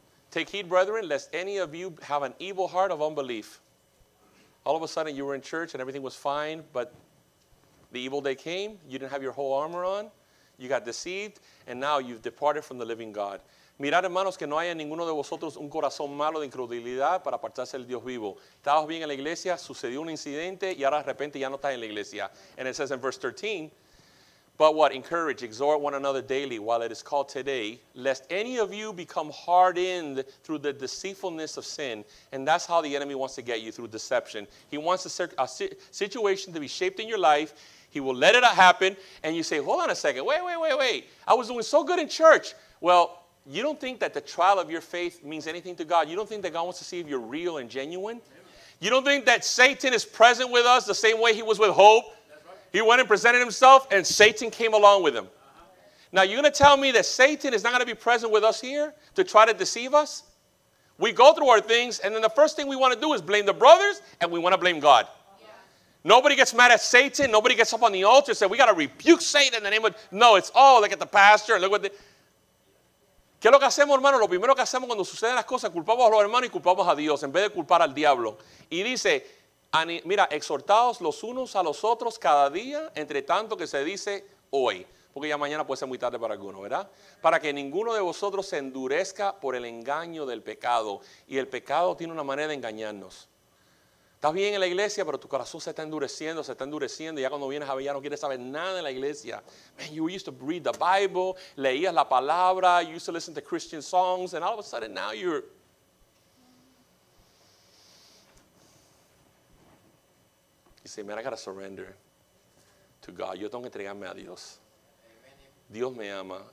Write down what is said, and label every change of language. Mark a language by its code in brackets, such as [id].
[en] Take heed, brethren, lest any of you have an evil heart of unbelief. All of a sudden, you were in church and everything was fine, but the evil day came, you didn't have your whole armor on, You got deceived, and now you've departed from the living God. [es] Mirad, hermanos, que no haya ninguno de vosotros un corazón malo de incredulidad para apartarse del Dios vivo. Estabas bien en la iglesia, sucedió un incidente, y ahora de repente ya no estás en la iglesia. [en] And it says in verse 13, but what? Encourage, exhort one another daily while it is called today, lest any of you become hardened through the deceitfulness of sin. And that's how the enemy wants to get you, through deception. He wants a situation to be shaped in your life. He will let it happen, and you say, hold on a second, wait. I was doing so good in church. Well, you don't think that the trial of your faith means anything to God? You don't think that God wants to see if you're real and genuine? You don't think that Satan is present with us the same way he was with Hope? He went and presented himself, and Satan came along with him. Now, you're going to tell me that Satan is not going to be present with us here to try to deceive us? We go through our things, and then the first thing we want to do is blame the brothers, and we want to blame God. Nobody gets mad at Satan. Nobody gets up on the altar and says, we got to rebuke Satan in the name of... No, it's all, look at the pastor. Look what the... [es] ¿Qué es lo que hacemos, hermano? Lo primero que hacemos cuando suceden las cosas, culpamos a los hermanos y culpamos a Dios en vez de culpar al diablo. Y dice, mira, exhortaos los unos a los otros cada día, entre tanto que se dice hoy. Porque ya mañana puede ser muy tarde para alguno, ¿verdad? Para que ninguno de vosotros se endurezca por el engaño del pecado. Y el pecado tiene una manera de engañarnos. Estás bien en la iglesia, pero tu corazón se está endureciendo. Y ya cuando vienes a ver, ya no quieres saber nada en la iglesia. Man, you used to read the Bible, leías la palabra, you used to listen to Christian songs, and all of a sudden now you're... [en] You say, man, I got to surrender to God. [es] Yo tengo que entregarme a Dios. Amen. Dios me ama.